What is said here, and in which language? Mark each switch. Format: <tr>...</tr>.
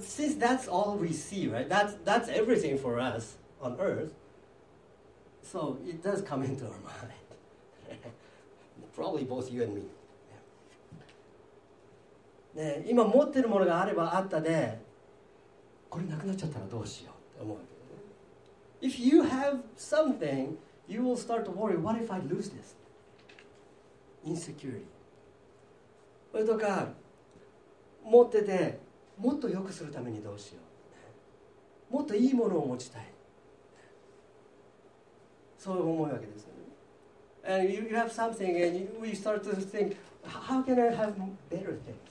<en>But since that's all we see, right? That's everything for us on earth. So it does come into our mind. Probably both you and me.</en> <ja>ね、今持ってるものがあればあったで、これなくなっちゃったらどうしようって思う。</ja> <en>If you have something, you will start to worry, what if I lose this? Insecurity.</en> <ja>それとか持っててもっと良くするためにどうしよう。もっといいものを持ちたい。そう思うわけですよね。</ja> <en>And you have something and we start to think, how can I have better things?</en>